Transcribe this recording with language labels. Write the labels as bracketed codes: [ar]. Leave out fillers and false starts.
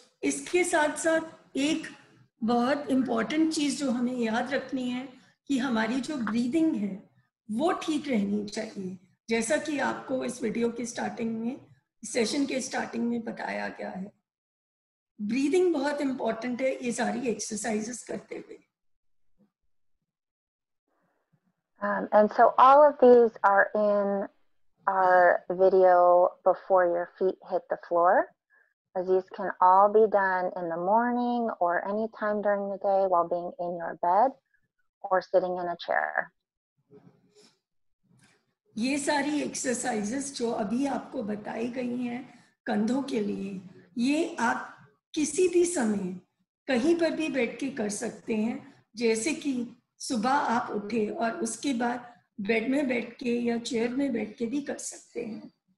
[hi] इसके साथ साथ एक बहुत इंपॉर्टेंट चीज जो हमें याद रखनी है कि हमारी जो ब्रीदिंग है वो ठीक रहनी चाहिए, जैसा कि आपको इस वीडियो के स्टार्टिंग में, सेशन के स्टार्टिंग में बताया गया है. ब्रीदिंग बहुत इंपॉर्टेंट है ये सारी एक्सरसाइजेस करते हुए. [en] And so all of these are in our video before your feet hit the floor. These can all be done in the morning or any time during the day while being in your bed or sitting in a chair. [hi] ये सारी exercises जो अभी आपको बताई गई हैं कंधों के लिए, ये आप किसी भी समय कहीं पर भी बैठ के कर सकते हैं, जैसे कि सुबह आप उठे और उसके बाद बेड में बैठ के या चेयर में बैठ के भी कर सकते हैं.